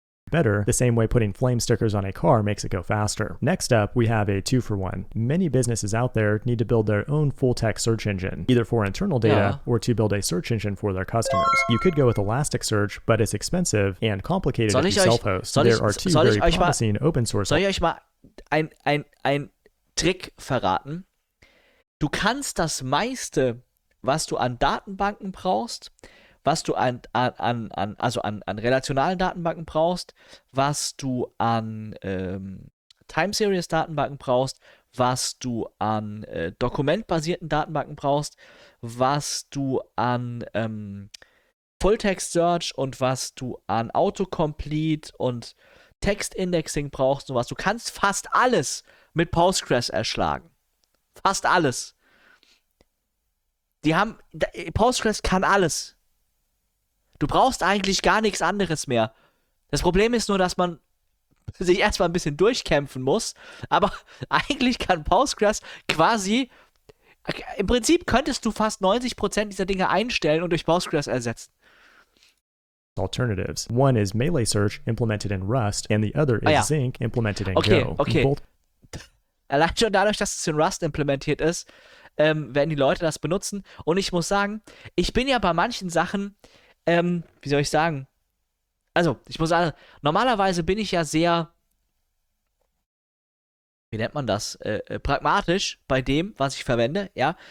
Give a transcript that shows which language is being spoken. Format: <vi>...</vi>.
<en>Better, the same way putting flame stickers on a car makes it go faster. Next up, we have a two-for-one. Many businesses out there need to build their own full-text search engine, either for internal data or to build a search engine for their customers. You could go with Elasticsearch, but it's expensive and complicated</en> <de>soll</de> <en>if you self-host. There are two very promising open-source...</en> <de>Soll ich euch mal ein Trick verraten? Du kannst das meiste, was du an Datenbanken brauchst, was du an relationalen Datenbanken brauchst, was du an Time-Series-Datenbanken brauchst, was du an dokumentbasierten Datenbanken brauchst, was du an Full-Text-Search und was du an Autocomplete und Text-Indexing brauchst und was. Du kannst fast alles mit Postgres erschlagen. Fast alles. Postgres kann alles. Du brauchst eigentlich gar nichts anderes mehr. Das Problem ist nur, dass man sich erstmal ein bisschen durchkämpfen muss. Aber eigentlich kann Postgres quasi... Im Prinzip könntest du fast 90% dieser Dinge einstellen und durch Postgres ersetzen.</de> <en>Alternatives. One is Melee Search, implemented in Rust, and the other is Zinc, implemented in Go. Okay.</en> <de>Allein schon dadurch, dass es in Rust implementiert ist, werden die Leute das benutzen. Und ich muss sagen, ich bin ja bei manchen Sachen... wie soll ich sagen? Also, ich muss sagen, normalerweise bin ich ja sehr, wie nennt man das, pragmatisch bei dem, was ich verwende, ja?</de>